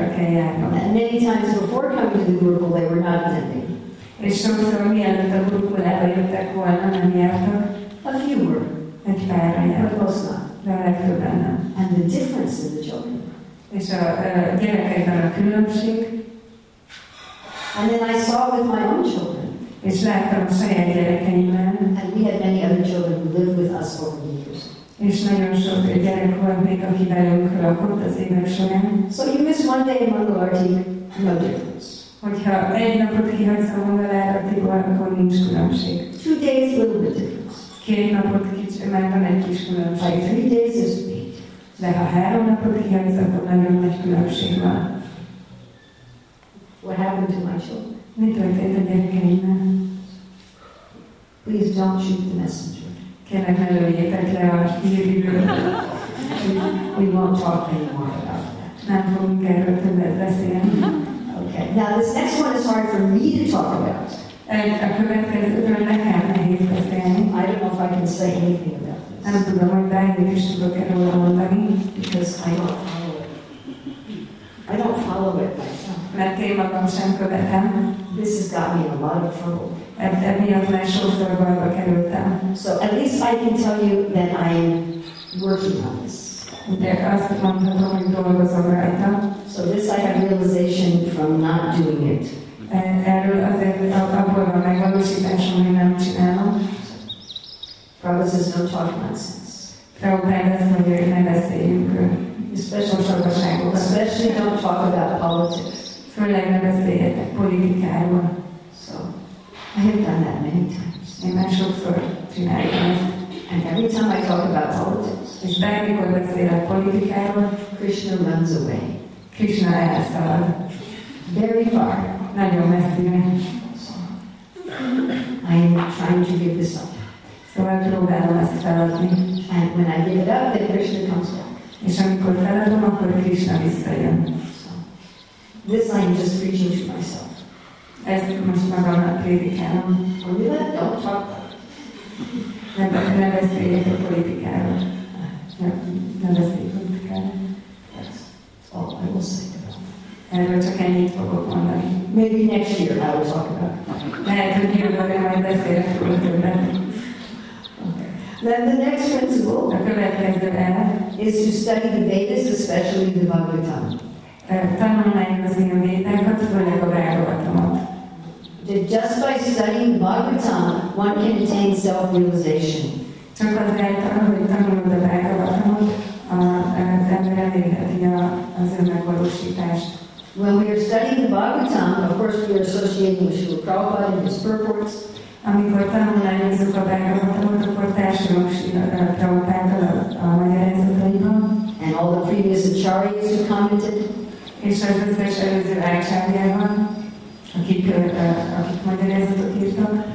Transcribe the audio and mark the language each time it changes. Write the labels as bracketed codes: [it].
[en] And many times before coming to the Gurukul they were not attending. [hu] És sokszor mielőtt a Gurukulába jöttek volna, nem jártak. [en] A few were. [hu] Egy párra járt. [en] But most not. [hu] De a legtöbben nem. [en] And the difference in the children. [hu] És a gyerekekben a különbség. [en] And then I saw with my own children. [hu] És láttam a saját gyerekeimben. [en] And we had many other children who lived with us over the years. [hu] És nagyon sok gyerek volt még, aki velünk lakott az évek során. [en] So you miss one day in Mangalarti, no difference. [hu] Hogyha egy napot kihagysz a Mangalartiból, akkor nincs különbség. [en] 2 days, little bit difference. [hu] Két napot kicsi, mert van egy kis különbség. [en] Like 3 days is big. [hu] De ha 3 napot kihagysz, akkor nagyon nagy különbség van. [en] What happened to my children? [hu] Mi történt a gyerekeimmel? [en] Please don't shoot the messenger. [hu] Kérlek, ne lőjétek le a hírűről. [en] We won't talk anymore about that. [hu] Nem fogunk erről többet beszélni. [en] Okay. Now this next one is hard for me to talk about. [hu] A következőről nekem nehéz beszélni. [en] I don't know if I can say anything about this. [hu] Nem tudom, hogy bármit is tudok erről mondani. [en] Because I don't follow it. I don't follow it myself. [hu] Mert én magam sem követem. [en] This has got me in a lot of trouble. [hu] Emiatt már sokszor bajba kerültem. [en] So at least I can tell you that I am working on this. [hu] De azt mondhatom, hogy dolgozom rajta. [en] So this I have realization from not doing it. [hu] Erről azért abból van megvalósításom, hogy nem csinálom. [en] Prabhupada says no talk nonsense. [hu] Prabhupada azt mondja, hogy ne beszéljünk. [en] Especially don't talk about politics. [hu] Főleg ne beszéljetek politikáról. [en] So, I have done that many times. [hu] Én már sokszor csináltam. [en] And every time I talk about politics, [hu] és bármikor beszélek politikáról, [en] Krishna runs away. [hu] Krishna elszalad. [en] Very far. [hu] Nagyon messzire. [en] So, I am trying to give this up. [hu] Szóval próbálom ezt feladni. [en] And when I give it up, then Krishna comes back. [hu] És amikor feladom, akkor Krishna visszajön. [en] This I am just preaching to myself. [hu] Ezt most magamnak prédikálom. [en] Only that, don't talk about it. [hu] Ne beszéljek a politikáról. Ne beszéljek a politikáról. [en] Oh, I will say about it. [hu] Erről csak ennyit fogok mondani. [en] Maybe next year I will talk about it. [hu] Lehet, hogy jövőre majd beszélek róla többet. [en] Then the next principle, [hu] a következő elv, [en] is to study the Vedas, especially the Bhagavad Gita. [hu] Tanulmányom az én védákat, főleg a Bhágavatamot. [en] Just by studying Bhagavatam, one can attain self-realization. [hu] Csak azáltal, hogy tanulod a Bhágavatamot, az ember elérheti az önmegvalósítást. [en] When we are studying the Bhagavatam, of course we are associating with Srila Prabhupada and his purports. [hu] Amikor tanulmányozunk a Bhágavatamot, akkor társadalunk Srila Prabhupáddal a magyarázataiban. [en] And all the previous acharyas who commented. [hu] És az összes előző ácsárjában, akik magyarázatot írtak.